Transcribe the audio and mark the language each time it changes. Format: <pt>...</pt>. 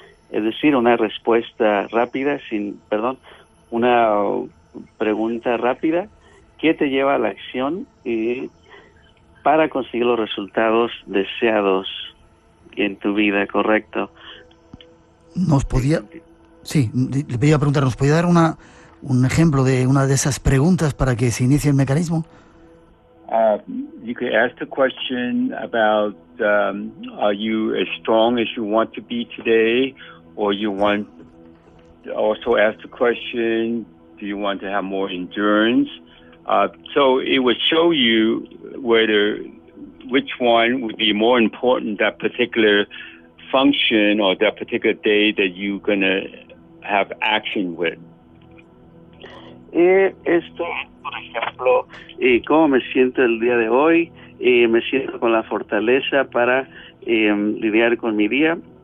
<es>Es decir, una respuesta rápida, una pregunta rápida que te lleva a la acción para conseguir los resultados deseados en tu vida, ¿correcto? Sí, le iba a preguntar, ¿nos podía dar un ejemplo de una de esas preguntas para que se inicie el mecanismo?</es> <en>You could ask the question about are you as strong as you want to be today, or you want also ask the question, do you want to have more endurance? So it would show you which one would be more important, that particular function or that particular day that you're going to have action with.</en> <es>Esto, por ejemplo, ¿cómo me siento el día de hoy? ¿Me siento con la fortaleza para lidiar con mi día?</es>